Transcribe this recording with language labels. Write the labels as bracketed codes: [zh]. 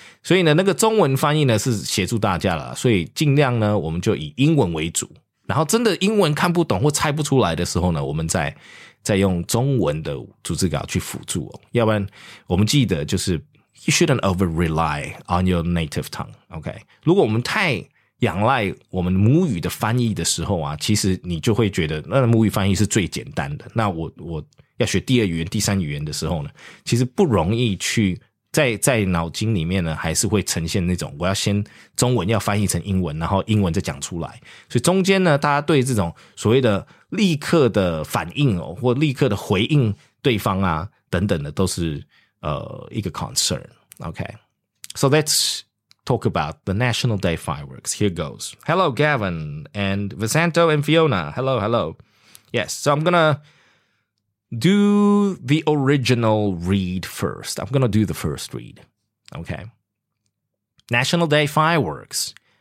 [zh] 所以呢那个中文翻译呢是协助大家了。所以尽量呢我们就以英文为主。然后真的英文看不懂或猜不出来的时候呢我们再用中文的逐字稿去辅助哦。要不然我们记得就是 [en] you shouldn't over rely on your native tongue, okay? [zh] 如果我们太仰赖我们母语的翻译的时候啊，其实你就会觉得那母语翻译是最简单的。那我要学第二语言、第三语言的时候呢，其实不容易去在脑筋里面呢，还是会呈现那种我要先中文要翻译成英文，然后英文再讲出来。所以中间呢，大家对这种所谓的立刻的反应哦，或立刻的回应对方啊等等的，都是一个 concern。 [en] Okay, so that's. Talk about the National Day fireworks. Here goes. Hello, Gavin and Vasanto and Fiona. Hello, hello. Yes, so I'm gonna do the original read first. I'm gonna do the first read. Okay. National Day fireworks.